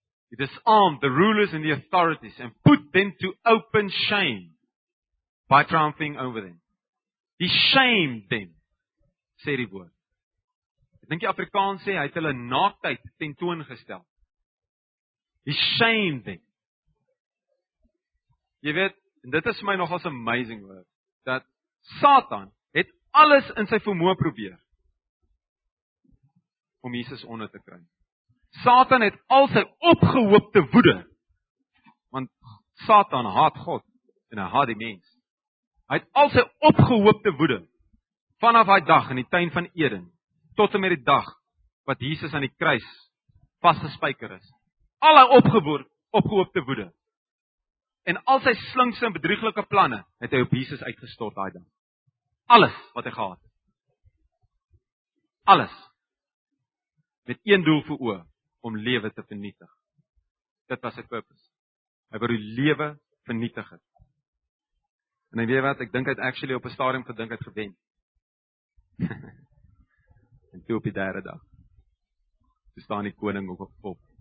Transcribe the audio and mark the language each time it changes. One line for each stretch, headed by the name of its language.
English: He disarmed the rulers and the authorities and put them to open shame by triumphing over them. He shamed them,
Afrikaans: sê die woord. Ek dink die Afrikaans sê, hy het hulle naaktheid tentoon gestel.
English: He shamed them.
Afrikaans: Jy weet, en dit is vir my nogals amazing word, dat Satan het alles in sy vermoë probeer om Jesus onder te kry. Satan het al sy opgehoopte woede, want Satan haat God en hy haat die mens. Hy het al sy opgehoopte woede vanaf daai dag in die tuin van Eden tot en met die dag wat Jesus aan die kruis vasgespijker is. Al sy opgehoopte woede en al sy slinkse en bedrieglike planne het hy op Jesus uitgestort daai dag. Alles wat hy gehad het. Alles met een doel voor oë. Om lewe te vernietig. Dit was sy purpose. Hy wou die lewe vernietig het. En hy weet wat, ek dink hy het actually op 'n stadium gedink het gewen. En toe op die derde dag. Toe staan die koning op 'n pop.